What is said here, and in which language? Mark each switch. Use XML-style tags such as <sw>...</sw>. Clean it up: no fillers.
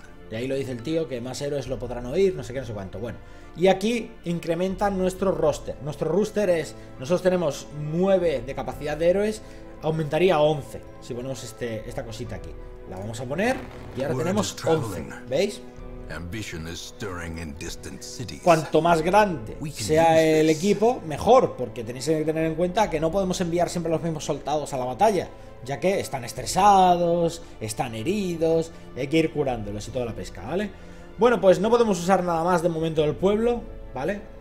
<es>Y ahí lo dice el tío, que más héroes lo podrán oír, no sé qué, no sé cuánto. Bueno, y aquí incrementa nuestro roster. Nuestro roster es, nosotros tenemos 9 de capacidad de héroes, aumentaría a 11 si ponemos esta cosita aquí. La vamos a poner y ahora tenemos 11, ¿veis?</es> <en>Ambition is stirring in distant cities.</en> <es>Cuanto más grande sea el equipo, mejor, porque tenéis que tener en cuenta que no podemos enviar siempre los mismos soldados a la batalla, ya que están estresados, están heridos, hay que ir curándolos y toda la pesca, ¿vale? Bueno, pues no podemos usar nada más de momento del pueblo, ¿vale?</es>